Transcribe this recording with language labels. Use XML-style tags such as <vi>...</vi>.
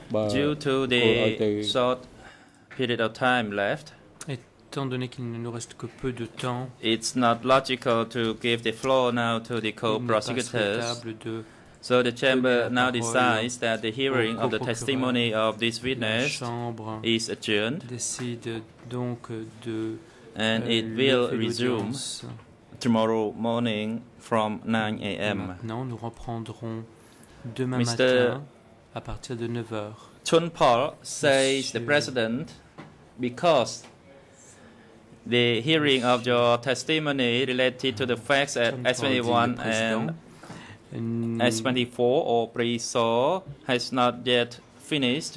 <en>Due to the short period of time left,</en> <fr>étant donné qu'il ne nous reste que peu de temps,</fr> <en>it's not logical to give the floor now to the co-prosecutors. So the chamber now decides that the hearing of the testimony of this witness is adjourned,</en> <fr>décide donc de</fr> <en>and it will resume tomorrow morning. From 9 a.m.</en> <fr>Maintenant, nous reprendrons demain matin à partir de 9 heures.</fr> <en>Chuun Phal says Monsieur. The president, because the hearing of your testimony related to the facts at S21 and S24 or pre-saw has not yet finished.</en>